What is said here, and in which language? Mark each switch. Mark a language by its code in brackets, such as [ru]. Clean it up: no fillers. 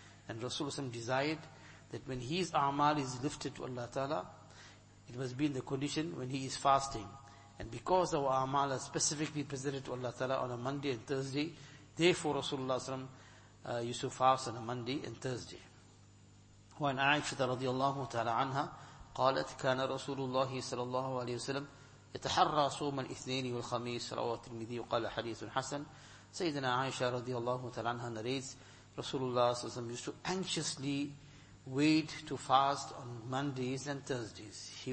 [en] And Rasulullah sallallahu alaihi wasallam desired that when his a'mal is lifted to Allah ta'ala, it must be in the condition when he is fasting. And because our a'mal are specifically presented to Allah ta'ala on a Monday and Thursday, therefore Rasulullah SAW used to fast on a Monday and Thursday. [ar] When Aisha رضي الله تعالى عنها قالت كان رسول الله صلى الله عليه وسلم يتحرى صوم الاثنين والخميس رواه الترمذي وقال حديث حسن. [en] سيدنا Aisha [ar] رضي الله تعالى عنها [en] narrates Rasulullah صلى الله عليه وسلم used to anxiously wait to fast on Mondays and Thursdays.